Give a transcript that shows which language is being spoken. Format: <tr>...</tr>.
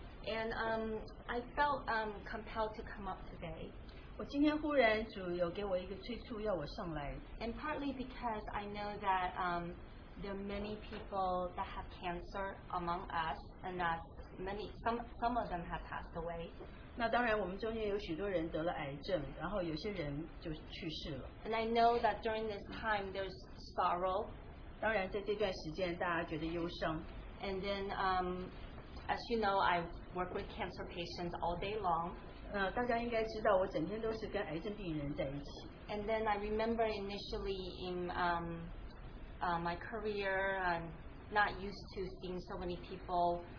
<en>And I felt compelled to come up today.</en> <zh>我今天忽然主有给我一个催促要我上来.</zh> <en>And partly because I know that there are many people that have cancer among us, and that many some of them have passed away.</en> <zh>那当然我们中间有许多人得了癌症，然后有些人就去世了。</zh> <en>And I know that during this time there's sorrow.</en> <zh>当然在这段时间大家觉得忧伤。</zh> <en>And then as you know, I work with cancer patients all day long.</en> <zh>大家应该知道我整天都是跟癌症病人在一起。</zh> <en>And then I remember initially in my career, I'm not used to seeing so many people.</en>